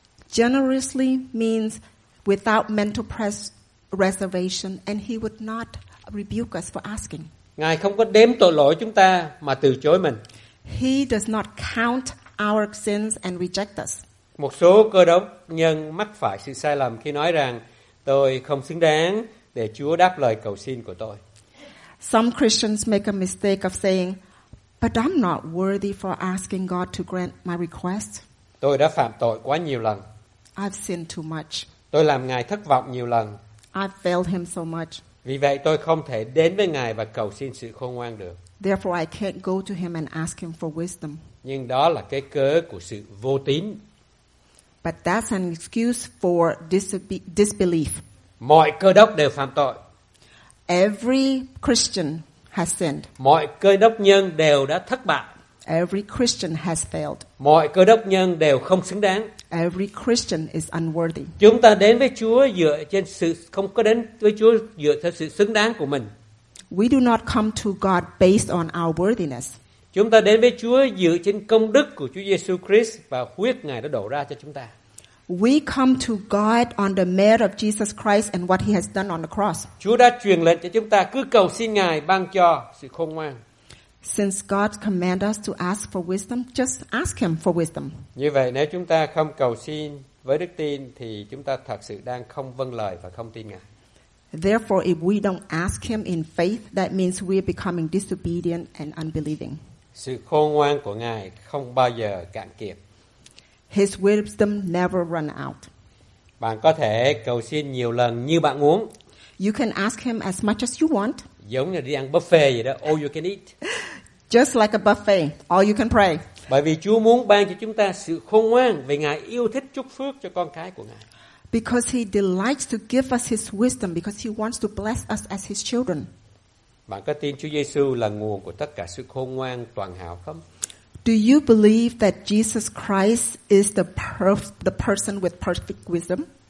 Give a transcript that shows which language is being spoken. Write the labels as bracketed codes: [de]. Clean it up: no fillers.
[en] Generously means without mental reservation and he would not rebuke us for asking. [vi] Ngài không có đếm tội lỗi chúng ta mà từ chối mình. [en] He does not count our sins and reject us. [vi] Một số cơ đốc nhân mắc phải sự sai lầm khi nói rằng tôi không xứng đáng để Chúa đáp lời cầu xin của tôi. [en] Some Christians make a mistake of saying, but I'm not worthy for asking God to grant my request. [vi] Tôi đã phạm tội quá nhiều lần. [en] I've sinned too much. [vi] Tôi làm Ngài thất vọng nhiều lần. [en] I've failed him so much. [vi] Vì vậy tôi không thể đến với Ngài và cầu xin sự khôn ngoan được. [en] Therefore I can't go to him and ask him for wisdom. [vi] Nhưng đó là cái cớ của sự vô tín. [en] But that's an excuse for disbelief. [vi] Mọi cơ đốc đều phạm tội. [en] Every Christian has sinned. [vi] Mọi cơ đốc nhân đều đã thất bại. [en] Every Christian has failed. [vi] Mọi cơ đốc nhân đều không xứng đáng. [en] Every Christian is unworthy. [vi] Chúng ta đến với Chúa dựa trên sự không có đến với Chúa dựa theo sự xứng đáng của mình. [en] We do not come to God based on our worthiness. [vi] Chúng ta đến với Chúa dựa trên công đức của Chúa Giêsu Christ và huyết Ngài đã đổ ra cho chúng ta. [en] We come to God on the merit of Jesus Christ and what he has done on the cross. [vi] Chúa đã truyền lệnh cho chúng ta cứ cầu xin Ngài ban cho sự khôn ngoan. [en] Since God commands us to ask for wisdom, just ask him for wisdom. [vi] Như vậy nếu chúng ta không cầu xin với đức tin thì chúng ta thật sự đang không vâng lời và không tin Ngài. [en] Therefore if we don't ask him in faith, that means we are becoming disobedient and unbelieving. [vi] Sự khôn ngoan của Ngài không bao giờ cạn kiệt. [en] His wisdom never run out. [vi] Bạn có thể cầu xin nhiều lần như bạn muốn. [en] You can ask him as much as you want. [vi] Giống như đi ăn buffet vậy đó, [en] all you can eat. Just like a buffet, all you can pray. [vi] Bởi vì Chúa muốn ban cho chúng ta sự khôn ngoan vì Ngài yêu thích chúc phước cho con cái của Ngài. [en] Because he delights to give us his wisdom because he wants to bless us as his children. [vi] Bạn có tin Chúa Giêsu là nguồn của tất cả sự khôn ngoan toàn hảo không? [en] Do you believe that Jesus Christ is the person with perfect wisdom?